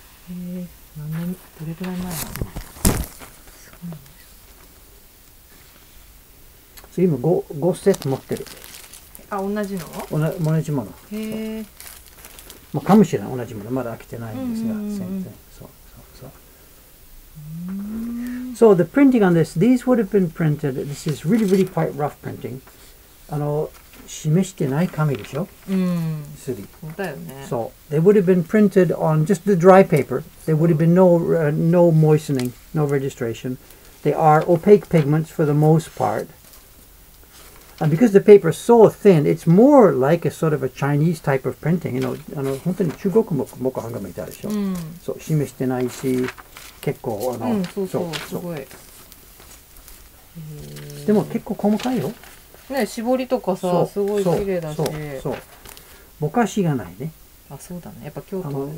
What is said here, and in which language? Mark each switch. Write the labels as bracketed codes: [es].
[ja] 何年、どれくらい前なの？すごいね。そう、今5セット持ってる。あ、同じの？同じもの。へえ。まあ、かもしれない、同じもの。まだ飽きてないんですが、全然。そう、そう、そう。 [en] So the printing on this, these would have been printed, this is really, really quite rough printing. [ja] あの、示してない紙でしょ。うん。すり。だよね。そう。 [en] They would have been printed on just the dry paper. There would have been no moistening, no registration. They are opaque pigments for the most part. And because the paper is so thin, it's more like a sort of a Chinese type of printing. You know, [ja] あの本当に中国木版画みたいでしょ。うん。そう、示してないし、結構あの、うん、そうそう、すごい。でも結構細かいよ。ね、絞りとかさ、すごい綺麗だし、そう、ぼかしがないね。あ、そうだね。やっぱ京都、あの